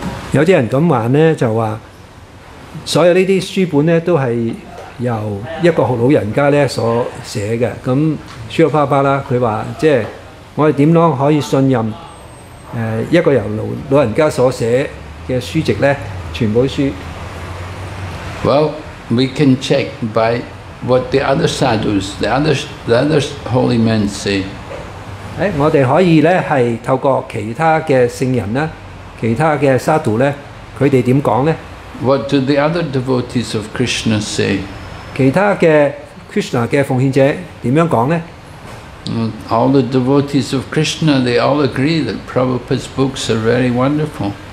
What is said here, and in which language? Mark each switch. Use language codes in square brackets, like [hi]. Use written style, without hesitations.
[en] Is written by an old man, how to prove that he's writing the correct things? How to prove? Because all books is written by him, by Srila Prabhupada. In an old man, how can he trust him? [zh] 我们怎样可以信任一个由老人家所写的书籍呢？全部书。 [en] Well, we can check by what the other sadhus, the other holy men say. [zh] 我们可以透过其他的圣人，其他的沙杜，他们怎样说呢？ [en] What do the other devotees of Krishna say? [zh] 其他的 Krishna 的奉献者怎样说呢？ [en] All the devotees of Krishna, they all agree that Prabhupada's books are very wonderful.